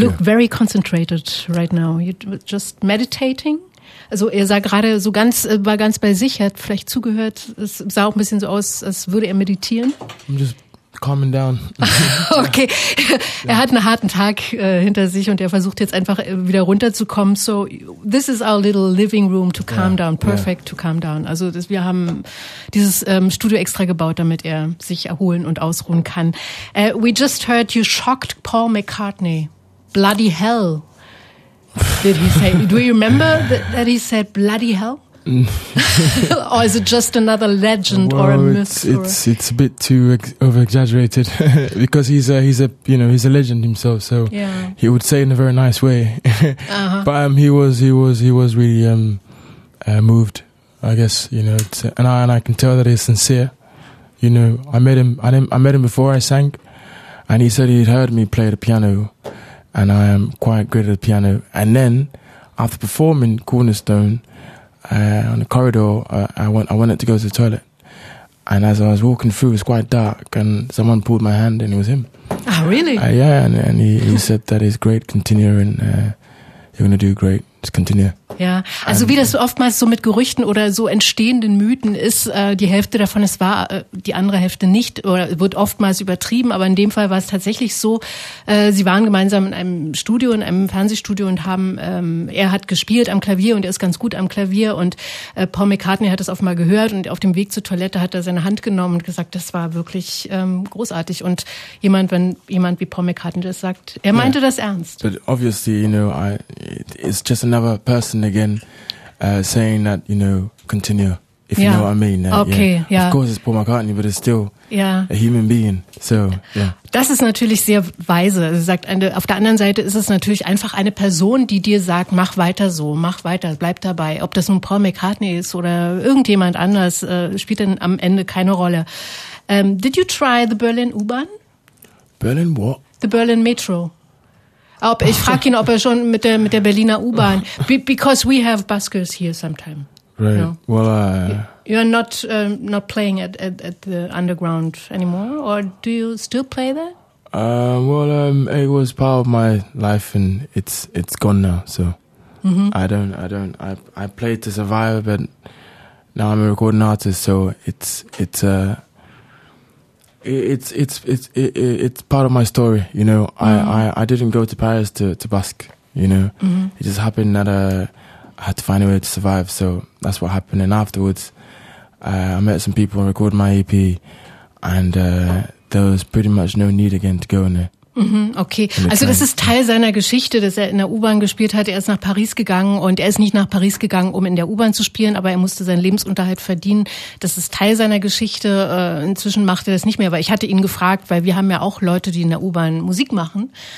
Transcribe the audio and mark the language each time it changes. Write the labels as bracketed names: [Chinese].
[English] Look very concentrated right now. You're just meditating? [German] Also er sah gerade so ganz, war ganz bei sich, hat vielleicht zugehört. Es sah auch ein bisschen so aus, als würde er meditieren. [English] I'm just calming down. Okay. Ja. [German] Er hat einen harten Tag hinter sich und er versucht jetzt einfach wieder runterzukommen. [English] So, this is our little living room to calm down. Perfect to calm down. [German] Also das, wir haben dieses Studio extra gebaut, damit er sich erholen und ausruhen kann. [English] We just heard you shocked Paul McCartney. Bloody hell. Did he say, do you remember that he said bloody hell? Or is it just another legend or a myth? It's a bit too over-exaggerated because he's a legend himself, so yeah. He would say in a very nice way. Uh-huh. But he was really moved, I guess, you know, and I can tell that he's sincere. You know, I met him before I sang, and he said he'd heard me play the piano. And I am quite good at the piano. And then, after performing Cornerstone on the corridor, I wanted to go to the toilet. And as I was walking through, it was quite dark, and someone pulled my hand, and it was him. Oh, really? And he said that he's great, continue, and you're going to do great, just continue. [German] Ja, also wie das oftmals so mit Gerüchten oder so entstehenden Mythen ist, die Hälfte davon ist wahr, die andere Hälfte nicht oder wird oftmals übertrieben, aber in dem Fall war es tatsächlich so, sie waren gemeinsam in einem Studio, in einem Fernsehstudio und haben, er hat gespielt am Klavier und er ist ganz gut am Klavier und Paul McCartney hat das oftmals gehört und auf dem Weg zur Toilette hat er seine Hand genommen und gesagt, das war wirklich großartig und wenn jemand wie Paul McCartney das sagt, er meinte das ernst. [English] But obviously, you know, it's just another person. And again, saying that, you know, continue, if you know what I mean. Okay. Of course it's Paul McCartney, but it's still a human being. So, [German] Das ist natürlich sehr weise. Sie sagt, auf der anderen Seite ist es natürlich einfach eine Person, die dir sagt, mach weiter so, mach weiter, bleib dabei. Ob das nun Paul McCartney ist oder irgendjemand anders, spielt dann am Ende keine Rolle. [English] Did you try the Berlin U-Bahn? Berlin what? The Berlin Metro. [German] Ich frage ihn, ob er schon mit der Berliner U-Bahn. [English] Because we have buskers here sometime. Right. You know? Well, you're not not playing at the underground anymore, or do you still play there? It was part of my life, and it's gone now. So I play to survive, but now I'm a recording artist, so it's part of my story, you know. I didn't go to Paris to busk, you know. Mm-hmm. It just happened that I had to find a way to survive, so that's what happened. And afterwards, I met some people and recorded my EP, and there was pretty much no need again to go in there. [German] Okay, also das ist Teil seiner Geschichte, dass er in der U-Bahn gespielt hat. Er ist nach Paris gegangen und er ist nicht nach Paris gegangen, um in der U-Bahn zu spielen, aber er musste seinen Lebensunterhalt verdienen. Das ist Teil seiner Geschichte. Inzwischen macht er das nicht mehr, weil ich hatte ihn gefragt, weil wir haben ja auch Leute, die in der U-Bahn Musik machen.